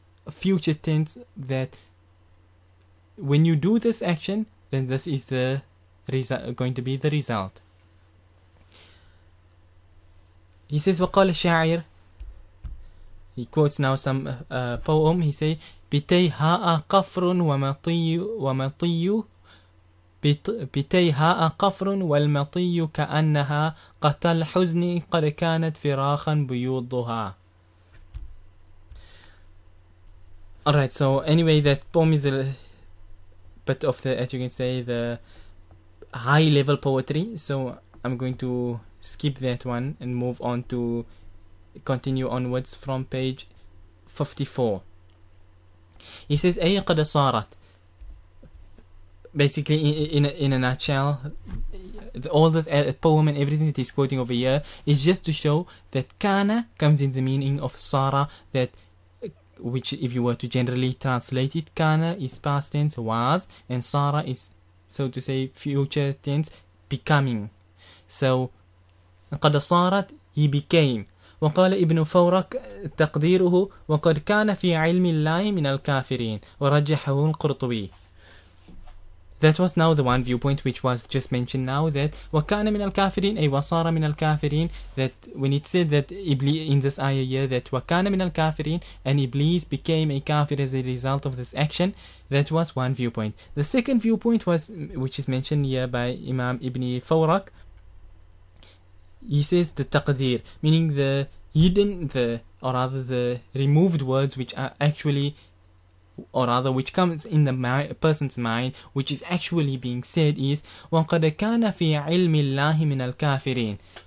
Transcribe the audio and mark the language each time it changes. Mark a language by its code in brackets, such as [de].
[en] future tense that when you do this action, then this is the going to be the result. He says, [ar] وقال الشاعر, [en] he quotes now some poem. He say, [ar] بتيهاء قفر ومطي ومطي بتيهاء قفر والمطي كأنها قتل حزن قد كانت فراخا بيوضها. [en] Alright, so anyway, that poem is a bit of the, as you can say, the high level poetry. So I'm going to skip that one and move on to continue onwards from page 54. He says, [ar] أي قد صارت. [en] Basically, in a nutshell, all the poem and everything that he's quoting over here is just to show that kana comes in the meaning of sara, that which, if you were to generally translate it, kana is past tense, was, and sara is, so to say, future tense, becoming. So, [ar] قد صارت, [en] he became. [ar] وقال ابن فورك تقديره وقد كان في علم الله من الكافرين ورجحه القرطبي. [en] That was now the one viewpoint which was just mentioned now, that [ar] وَكَانَ مِنَ الْكَافِرِينَ أي وَصَارَ مِنَ الْكَافِرِينَ, [en] that when it said that Iblis in this ayah here, that [ar] وَكَانَ مِنَ الْكَافِرِينَ, [en] and Iblis became a kafir as a result of this action, that was one viewpoint. The second viewpoint was, which is mentioned here by Imam Ibn Fawrak, he says the taqdeer, meaning the hidden, the or rather the removed words which are actually, or rather which comes in the person's mind, which is actually being said, is [ar] وَقَدْ كَانَ فِي عِلْمِ اللَّهِ مِنَ الْكَافِرِينَ.